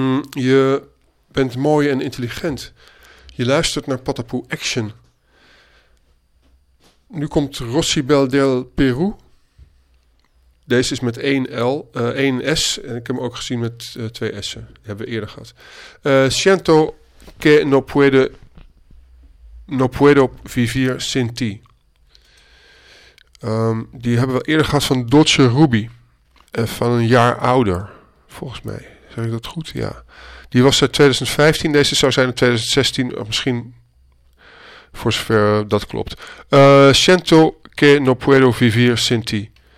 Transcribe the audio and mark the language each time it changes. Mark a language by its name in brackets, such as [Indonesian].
[Dutch] Je bent mooi en intelligent. Je luistert naar Patapoe Action. Nu komt Rosibel del Peru. Deze is met 1L, 1S en ik heb hem ook gezien met 2 S'en. Die hebben we eerder gehad. [Spanish] Siento que no puedo vivir sin ti. [Dutch] Die hebben we eerder gehad van Dolce Ruby. Van een jaar ouder, volgens mij. Zeg ik dat goed? Ja. Die was uit 2015. Deze zou zijn in 2016. Of misschien voor zover dat klopt. [Spanish] Siento que no puedo vivir sin ti.